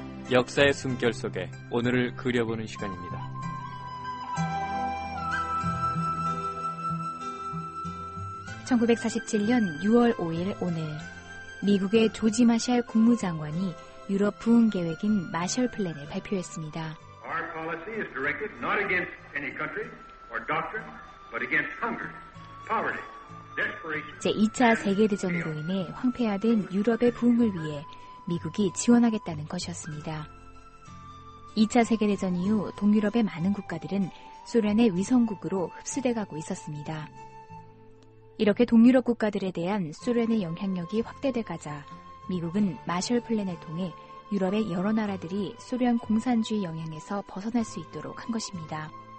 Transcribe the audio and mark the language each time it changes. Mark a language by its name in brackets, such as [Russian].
[Korean] 역사의 숨결 속에 오늘을 그려보는 시간입니다. 1947년 6월 5일 오늘, 미국의 조지 마샬 국무장관이 유럽 부흥 계획인 마샬 플랜을 발표했습니다. [English] Our policy is directed not against any country or doctrine, but against hunger, poverty. [Korean] 제2차 세계대전으로 인해 황폐화된 유럽의 부흥을 위해 미국이 지원하겠다는 것이었습니다. 2차 세계대전 이후 동유럽의 많은 국가들은 소련의 위성국으로 흡수돼가고 있었습니다. 이렇게 동유럽 국가들에 대한 소련의 영향력이 확대돼가자 미국은 마셜 플랜을 통해 유럽의 여러 나라들이 소련 공산주의 영향에서 벗어날 수 있도록 한 것입니다.